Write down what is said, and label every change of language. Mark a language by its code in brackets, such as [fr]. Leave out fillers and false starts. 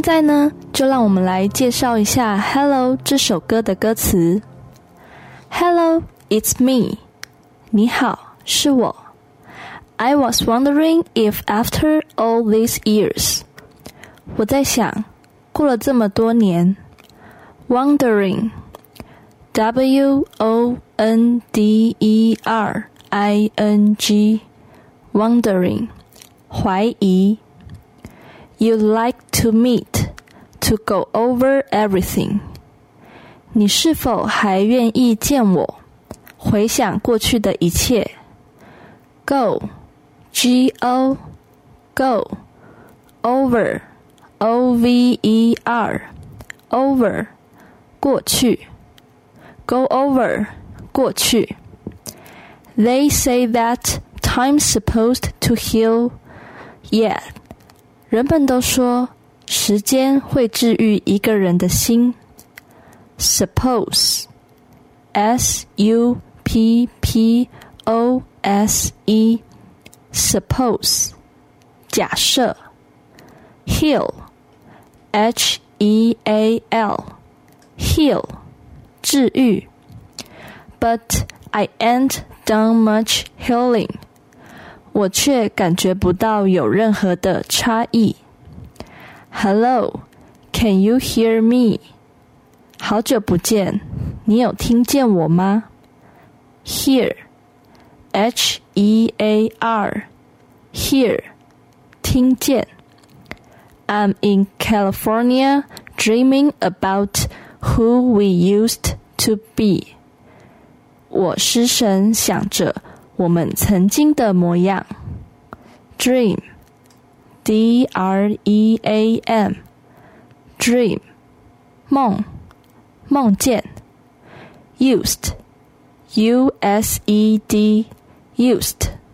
[zh] 现在呢，就让我们来介绍一下 Hello 这首歌的歌词。 [en] Hello, it's me. [zh] 你好，是我。 [en] I was wondering if after all these years. [zh] 我在想，过了这么多年。 [en] Wondering, W-O-N-D-E-R-I-N-G. Wondering, 怀疑。 You'd like to meet, to go over everything. [zh] 你是否还愿意见我，回想过去的一切。 [en] Go, G-O, go, over, O-V-E-R, over, 过去。 Go over, 过去。 They say that time's supposed to heal, yeah. [zh] 人们都说时间会治愈一个人的心。 [en] Suppose, S-U-P-P-O-S-E, suppose, 假设。 Heal, H-E-A-L, heal, 治愈。 But I ain't done much healing, [zh] 我却感觉不到有任何的差异。 [en] Hello, can you hear me? [zh] 好久不见，你有听见我吗？ [en] Hear, H-E-A-R, hear, 听见。 I'm in California dreaming about who we used to be. [zh] 我失神想着我们曾经的模样。 [en] Dream, D-R-E-A-M, dream, [zh] 梦。梦见。 [en] Used, U-S-E-D, used.